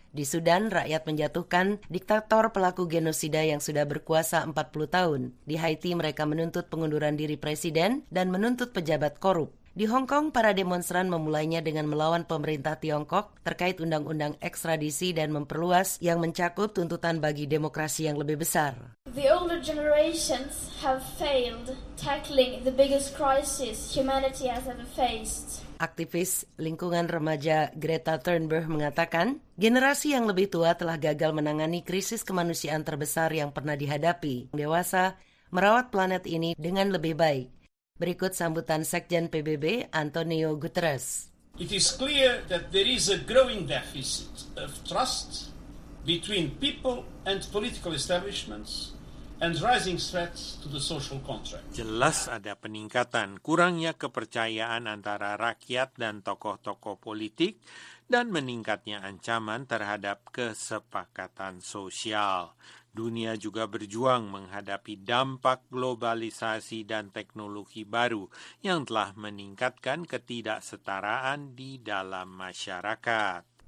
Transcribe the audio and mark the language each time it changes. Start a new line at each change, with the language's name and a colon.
Indonesian: Di Sudan, rakyat menjatuhkan diktator pelaku genosida yang sudah berkuasa 40 tahun. Di Haiti, mereka menuntut pengunduran diri presiden dan menuntut pejabat korup. Di Hong Kong, para demonstran memulainya dengan melawan pemerintah Tiongkok terkait undang-undang ekstradisi dan memperluas yang mencakup tuntutan bagi demokrasi yang lebih besar.
English: The older generations have failed tackling the biggest crisis humanity has ever faced.
Indonesian: Aktivis lingkungan remaja Greta Thunberg mengatakan, generasi yang lebih tua telah gagal menangani krisis kemanusiaan terbesar yang pernah dihadapi. Dewasa merawat planet ini dengan lebih baik. Berikut sambutan Sekjen PBB Antonio Guterres.
English: It is clear that there is a growing deficit of trust between people and political establishments and rising threats to the social contract.
Indonesian: Jelas ada peningkatan kurangnya kepercayaan antara rakyat dan tokoh-tokoh politik dan meningkatnya ancaman terhadap kesepakatan sosial. Dunia juga berjuang menghadapi dampak globalisasi dan teknologi baru yang telah meningkatkan ketidaksetaraan di dalam masyarakat.